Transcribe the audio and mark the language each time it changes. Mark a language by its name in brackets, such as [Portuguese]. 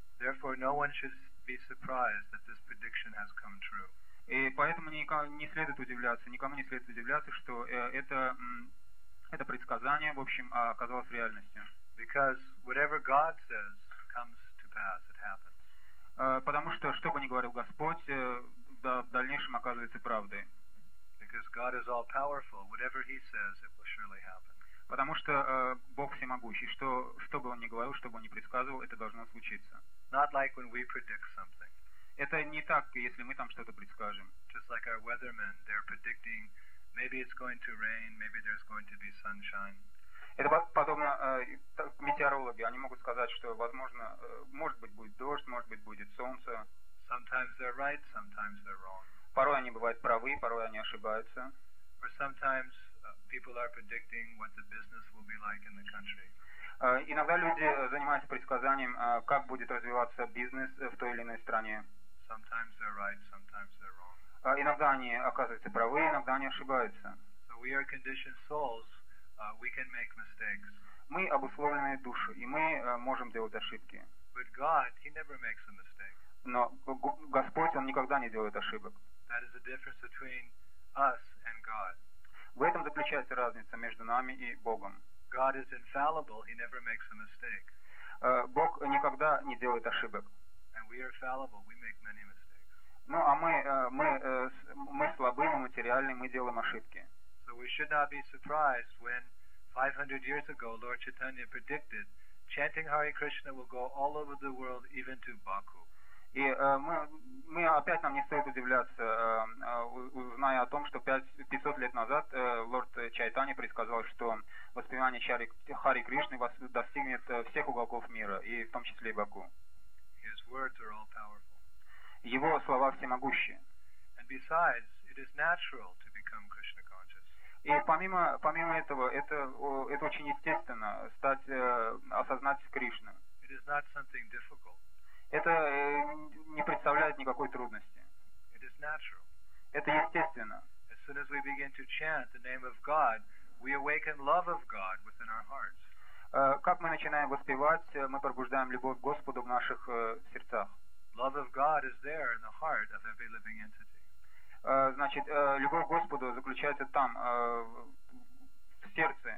[English] Therefore, no one should be surprised that this prediction has come true. [Russian] И поэтому не следует удивляться, никому не следует удивляться, что это предсказание, в общем, оказалось реальностью. [English] Because whatever God says comes to pass, it happens. [Russian] Потому что, что бы ни говорил Господь, в дальнейшем оказывается правдой. [English] Because God is all powerful, whatever He says, it will surely happen. [Russian] Потому что Бог всемогущий, что бы он ни говорил, что бы он ни предсказывал, это должно случиться. [English] Not like when we predict something. [Russian] Это не так, если мы там что-то предскажем. [English] Just like our weathermen, they're predicting maybe it's going to rain, maybe there's going to be sunshine. [Russian] Это подобно метеорологи, они могут сказать, что возможно, может быть будет дождь, может быть будет солнце. [English] Sometimes they're right, sometimes they're wrong. [Russian] Порой они бывают правы, порой они ошибаются. [English] Or sometimes people are predicting what the business will be like in the country. [Russian] Иногда люди занимаются предсказанием, как будет развиваться бизнес в той или иной стране. [English] Sometimes they're right, sometimes they're wrong. [Russian] Иногда они оказываются правы, иногда они ошибаются. [English] So we are conditioned souls, we can make mistakes. [Russian] Мы обусловленные души, и мы можем делать ошибки. [English] But God, He never makes a mistake. [Russian] Но Господь, Он никогда не делает ошибок. [English] That is the difference between us and God. [Russian] В этом заключается разница между нами и Богом. [English] God is infallible, He never makes a mistake. [Russian] Бог никогда не делает ошибок. [English] And we are fallible, we make many mistakes. [Russian] Ну, а мы слабы, мы материальны, мы делаем ошибки. [English] So we should not be surprised when 500 years ago Lord Chaitanya predicted chanting Hare Krishna will go all over the world, even to Baku. [Russian] И мы опять нам не стоит удивляться, узная о том, что 500 лет назад лорд Чайтани предсказал, что воспевание Хари Кришны достигнет всех уголков мира, и в том числе и Баку. [English] His words are all powerful. [Russian] Его слова всемогущие. [English] And besides, it is natural to become Krishna conscious. [Russian] И помимо этого, это очень естественно, осознать Кришну. [English] It is not something difficult. [Russian] Это не представляет никакой трудности. [English] It is natural. [Russian] Это естественно. [English] As soon as we begin to chant the name of God, we awaken love of God within our hearts. [Russian] Как мы начинаем воспевать, мы пробуждаем любовь к Господу в наших сердцах. [English] Love of God is there in the heart of every living entity. [Russian] Значит, любовь к Господу заключается там, в сердце.